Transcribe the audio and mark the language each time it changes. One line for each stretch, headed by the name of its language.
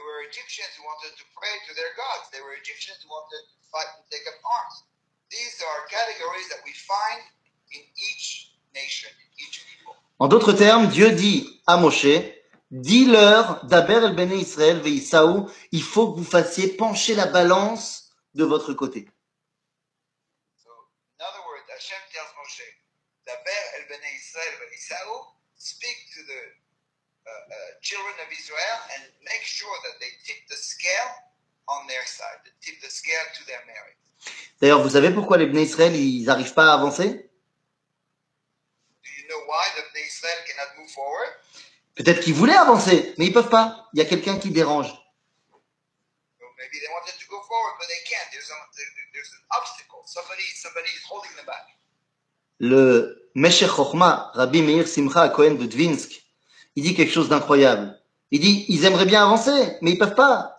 English: Egyptians wanted to pray to their gods. There were Egyptians who wanted to fight and take up arms. These are categories that we find in each nation, in each people.
French: En d'autres termes, Dieu dit à Moshe, dis-leur,
Hebrew: Daber el Bene Israël ve Isaou,
French: il faut que vous fassiez pencher la balance de votre côté.
English: So, in other words, Hashem tells Moshe,
Hebrew: Daber el Bene Israël ve Isaou,
English: speak to the children of Israel and make sure that they tip the scale on their side, tip the scale to their merit.
French: D'ailleurs, vous savez pourquoi les Bnei Israël ils n'arrivent pas à avancer?
English: Do you know why the Bnei Israël cannot move forward?
French: Peut-être qu'ils voulaient avancer, mais ils peuvent pas. Il y a quelqu'un qui dérange.
English: So maybe they wanted to go forward, but they can't. There's an obstacle. Somebody is holding them back.
French: Le Meshech Chochma, Rabbi Meir Simcha Cohen de Dvinsk. Il dit quelque chose d'incroyable. Il dit, ils aimeraient bien avancer, mais ils ne peuvent pas.